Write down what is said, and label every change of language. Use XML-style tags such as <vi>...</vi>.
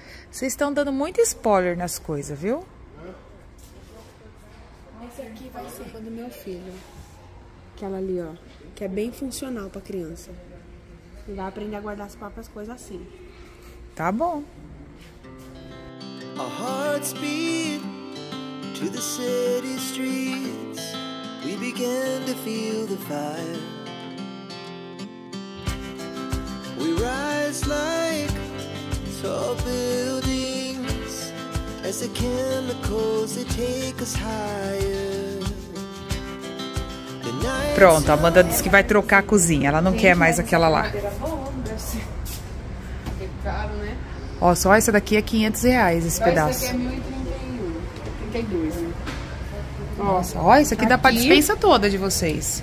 <pt>Vocês estão dando muito spoiler nas coisas, viu? Esse aqui vai ser para do meu filho. Aquela ali, ó. Que é bem funcional para criança. E vai aprender a guardar as próprias coisas assim. Tá bom.</pt> <en>Our hearts beat to the city streets. We began to feel the fire. We rise like tall buildings as the chemicals they take us higher.</en> <pt>Pronto, a Amanda disse que vai trocar a cozinha. Ela não, sim, quer mais aquela lá. É caro, né? Ó, só essa daqui é R$500 esse só pedaço. Essa aqui é R$1.032. Nossa, ó, isso aqui dá pra dispensa toda de vocês.</pt>